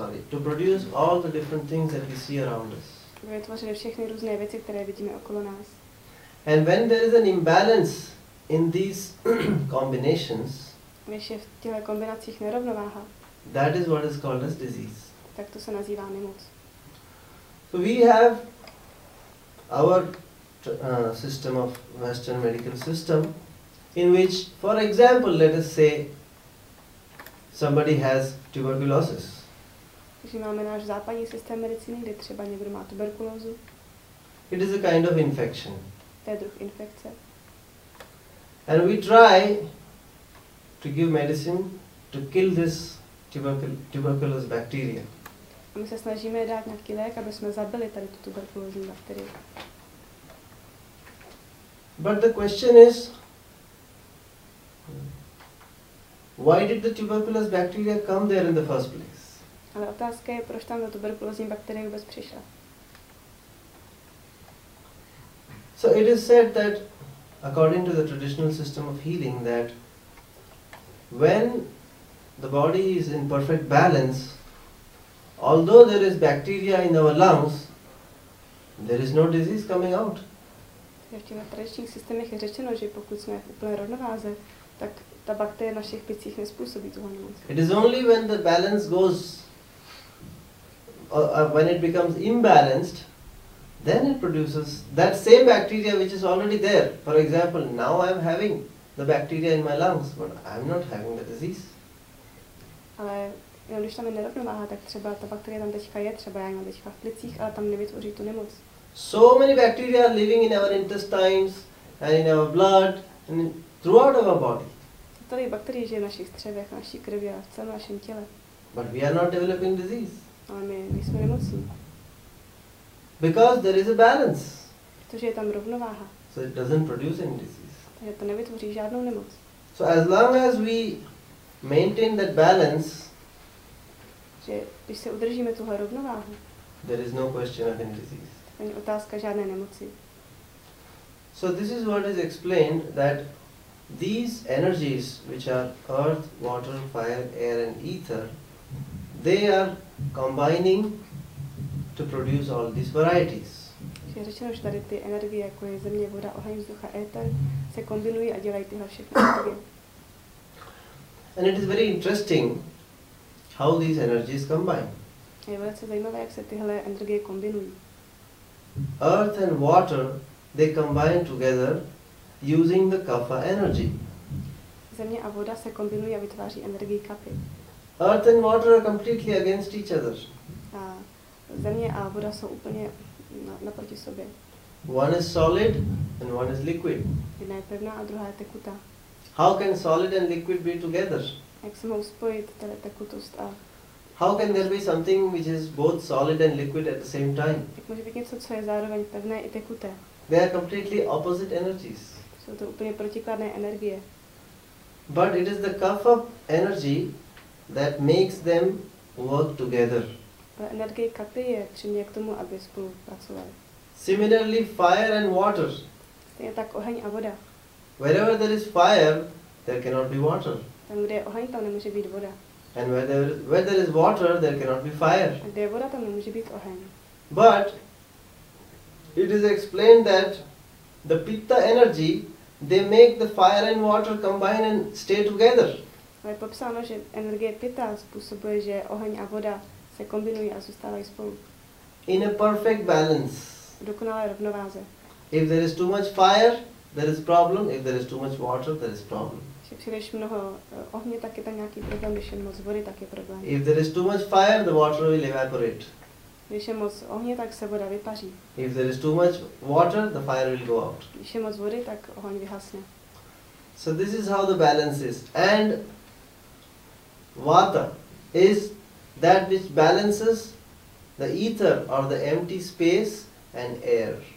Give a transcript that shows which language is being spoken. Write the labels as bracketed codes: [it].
[en] To produce all the different things that we see around us. [cs] Vytvořili všechny různé věci, které vidíme okolo nás. [en] And when there is an imbalance in these combinations, [cs] když je v těchto kombinacích nerovnováha, [en] that is what is called as disease. [cs] Tak to se nazývá nemoc. [en] So we have our system of Western medical system, in which, for example, let us say somebody has tuberculosis. [cs] Takže máme náš západní systém medicíny, kde třeba někdo má tuberkulózu. [en] It is a kind of infection. [cs] To je druh infekce. [en] And we try to give medicine to kill this tuberculosis bacteria. [cs] A my se snažíme dát nějaký lék, aby jsme zabili tady tu tuberkulózní bakterii. [en] But the question is, why did the tuberculosis bacteria come there in the first place? [cs] Ale otázka je, proč tam ta tuberkulózní bakterie vůbec přišla? [en] So it is said that according to the traditional system of healing that when the body is in perfect balance, although there is bacteria in our lungs, there is no disease coming out. [cs] V těch tradičních systémech je řečeno, že pokud jsme v úplné rovnováze, tak ta bakterie našich plicích nespůsobí tu nemoc. [en] It is only when the balance goes, when it becomes imbalanced, then it produces that same bacteria which is already there. For example, now I am having the bacteria in my lungs, but I am not having the disease. [cs] Ale jenom když tam je nerovnováha, tak třeba ta bakterie tam teďka je, třeba já jenom teďka v plicích, ale tam nevytvoří tu nemoc. [en] So many bacteria are living in our intestines and in our blood and throughout our body. [cs] Tolik bakterií žije v našich střevech, naší krvi a v celém našem těle. [en] But we are not developing disease. [cs] Ale my nejsme nemocní. [en] Because there is a balance. [cs] Protože je tam rovnováha. [en] So it doesn't produce any disease. [cs] Takže to nevytvoří žádnou nemoc. [en] So as long as we maintain that balance, [cs] že když se udržíme tuhle rovnováhu, [en] there is no question of any disease. [cs] Není otázka žádné nemoci. [en] So this is what is explained that these energies, which are earth, water, fire, air and ether, they are combining to produce all these varieties. [cs] Je řečeno, že tady ty energie, jako je země, voda, oheň, vzduch a éter, se kombinují a dělají tyhle všechny energie. [en] And it is very interesting how these energies combine. [cs] Je velice zajímavé, jak se tyhle energie kombinují. [en] Earth and water, they combine together using the kapha energy. [cs] Země a voda se kombinují a vytváří energii kapha. [en] Earth and water are completely against each other. [cs] A země a voda jsou úplně naproti sobě. [en] One is solid and one is liquid. [cs] Jedna je pevná a druhá je tekutá. [en] How can solid and liquid be together? [cs] Jak se mohou spojit tady tekutost a... [en] How can there be something which is both solid and liquid at the same time? [cs] Jak může být něco, co je zároveň pevné i tekuté? [en] They are completely opposite energies. [cs] Jsou to úplně protikladné energie. [en] But it is the kapha energy that makes them work together. [cs] Ale energie kapha je přiměje k tomu, aby spolu pracovali. [en] Similarly, fire and water. [cs] Stejně tak oheň a voda. [en] Wherever there is fire, there cannot be water. [cs] Tam, kde je oheň, tam nemůže být voda. [en] And where there is water, there cannot be fire. [cs] A kde je voda, tam nemůže být oheň. [en] But it is explained that the pitta energy, they make the fire and water combine and stay together. [cs] Ale je popsáno, že energie pitta způsobuje, že oheň a voda se kombinují a zůstávají spolu. [en] In a perfect balance. [cs] V dokonalé rovnováze. [en] If there is too much fire, there is problem. If there is too much water, there is problem. [cs] Příliš mnoho ohně, tak je tam nějaký problém, když je moc vody, tak je problém. [en] If there is too much fire, the water will evaporate. [cs] Když je moc ohně, tak se voda vypaří. [en] If there is too much water, the fire will go out. [cs] Když je moc vody, tak oheň vyhasne. [en] So this is how the balance is. And vata is that which balances the ether or the empty space and air.